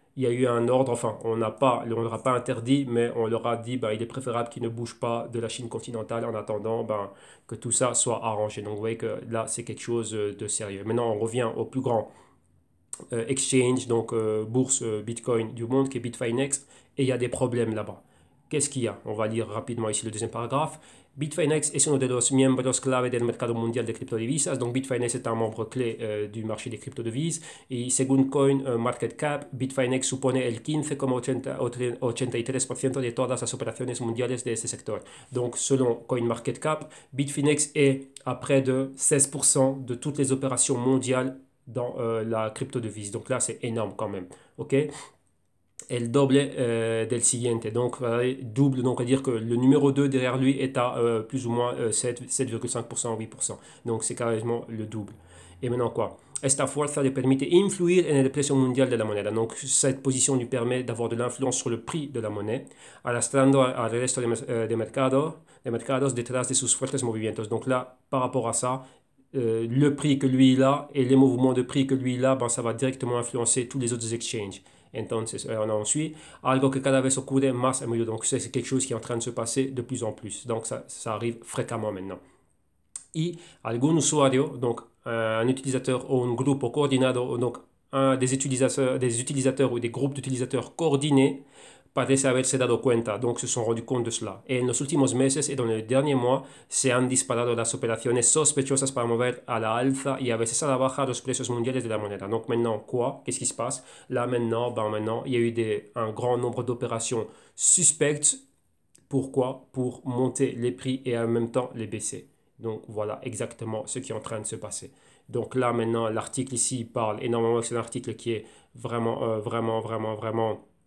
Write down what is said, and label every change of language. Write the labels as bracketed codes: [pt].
[fr] Il y a eu un ordre, enfin, on leur a pas interdit, mais on leur a dit, ben, il est préférable qu'ils ne bougent pas de la Chine continentale en attendant, ben, que tout ça soit arrangé. Donc, vous voyez que là, c'est quelque chose de sérieux. Maintenant, on revient au plus grand exchange, donc bourse Bitcoin du monde, qui est Bitfinex, et il y a des problèmes là-bas. Qu'est-ce qu'il y a? On va lire rapidement ici le deuxième paragraphe. [es] Bitfinex es uno de los miembros clave del mercado mundial de criptodivisas. [fr] Donc, Bitfinex est un membre clé du marché des criptodivises. [es] Et según Coin Market Cap, Bitfinex supone el 15,83% de todas las operaciones mundiales de este sector. [fr] Donc, selon Coin Market Cap, Bitfinex est à près de 16% de toutes les opérations mondiales dans la criptodivise. Donc, là, c'est énorme quand même. OK? [es] El doble del siguiente. [fr] Donc, double, donc à dire que le numéro 2 derrière lui est à plus ou moins 7,5%, 8%. Donc, c'est carrément le double. Et maintenant, quoi? [es] Esta fuerza le permite influir en el precio mundial de la moneda. [fr] Donc, cette position lui permet d'avoir de l'influence sur le prix de la monnaie, [es] arrastrando al resto de mercados detrás de sus fuertes movimientos. [fr] Donc, là, par rapport à ça, le prix que lui il a et les mouvements de prix que lui il a, ben, ça va directement influencer tous les autres exchanges. [es] Entonces, [fr] on suit. [es] Algo que cada vez ocurre más a menudo. [fr] Donc, c'est quelque chose qui est en train de se passer de plus en plus. Donc, ça arrive fréquemment maintenant. [es] Y algún usuario, [fr] donc un utilisateur ou [es] un grupo coordinado, [fr] donc des utilisateurs ou des groupes d'utilisateurs coordonnés, [es] parece haberse dado cuenta. [fr] Donc, se sont rendus compte de cela. [es] Et en los últimos meses, [fr] et dans les derniers mois, [es] se han disparado las operaciones sospechosas para mover a la alza y a veces a la baja los precios mundiales de la moneda. [fr] Donc, maintenant, quoi? Qu'est-ce qui se passe? Là, maintenant, ben, maintenant, il y a eu un grand nombre d'opérations suspectes. Pourquoi? Pour monter les prix et en même temps les baisser. Donc, voilà exactement ce qui est en train de se passer. Donc, là, maintenant, l'article ici parle énormément. C'est un article qui est vraiment, vraiment, vraiment, vraiment